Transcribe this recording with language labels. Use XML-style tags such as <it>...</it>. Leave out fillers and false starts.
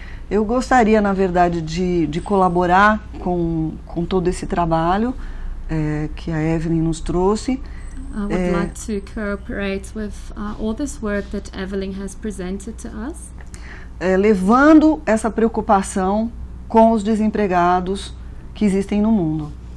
<pt>Eu gostaria, na verdade, de colaborar com todo esse trabalho que a Evelyn nos trouxe.</pt> <en>I would like to cooperate with all this work that Evelyn has presented to us.</en> <pt>Levando essa preocupação com os desempregados que existem no mundo.</pt>